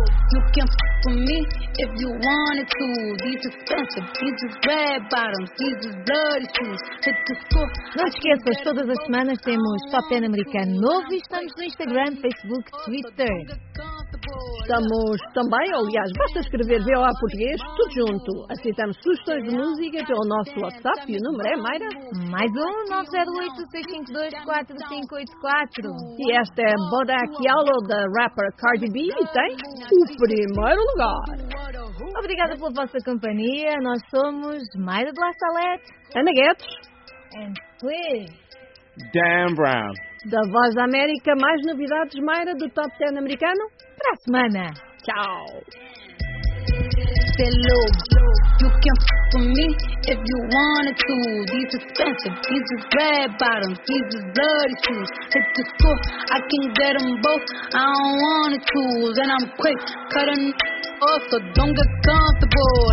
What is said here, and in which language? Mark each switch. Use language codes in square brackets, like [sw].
[en] You can f*** with me if you wanted to. These expensive, these red bottoms, these bloody shoes. Hit the school. [pt] Não esqueças, todas as semanas temos Top Ten Americano novo e estamos no Instagram, Facebook, Twitter. Estamos também, aliás, basta escrever VOA Português, tudo junto. Aceitamos sugestões de música pelo nosso WhatsApp e o número é, Mayra? Mais um, 908-652-4584. E esta é Bodak Yellow, da rapper Cardi B, e tem o primeiro lugar. Obrigada pela vossa companhia. Nós somos Mayra de La Salette, Ana Guedes, [en] and Quiz, Dan Brown. [pt] Da Voz da América, mais novidades, Mayra, do Top Ten americano? Para a semana. Tchau. [en] Hello, you can f*** with me if you wanted to. These expensive, these red bottoms, these bloody shoes. Hit the school, I can get them both, I don't want the tools. And I'm quick, cutting off, so don't get comfortable.